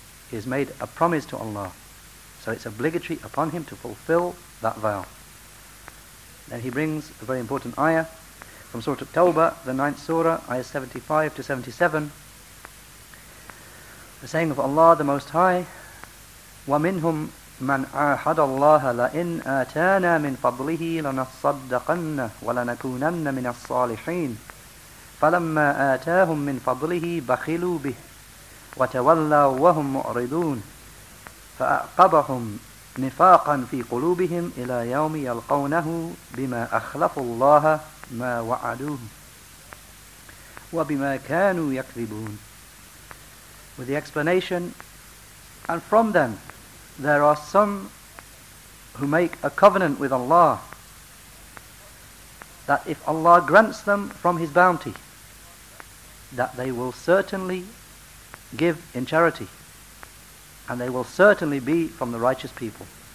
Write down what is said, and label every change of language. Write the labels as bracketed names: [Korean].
[English] He has made a promise to Allah, so it's obligatory upon him to fulfill that vow. Then he brings a very important ayah from Surah At-Tawbah, the 9th Surah, Ayah 75 to 77. The saying of Allah the Most High, [Arabic] وَمِنْهُمْ من عاهد الله لئن آتانا من فضله لنصدقن ولنكونن من الصالحين فلما آتاهم من فضله بخلوا به وتولوا وهم معرضون فأعقبهم نفاقا في قلوبهم إلى يوم يلقونه بما أخلفوا الله ما وعدوه وبما كانوا يكذبون. [English] With the explanation, and from them there are some who make a covenant with Allah that if Allah grants them from His bounty, that they will certainly give in charity, and they will certainly be from the righteous people.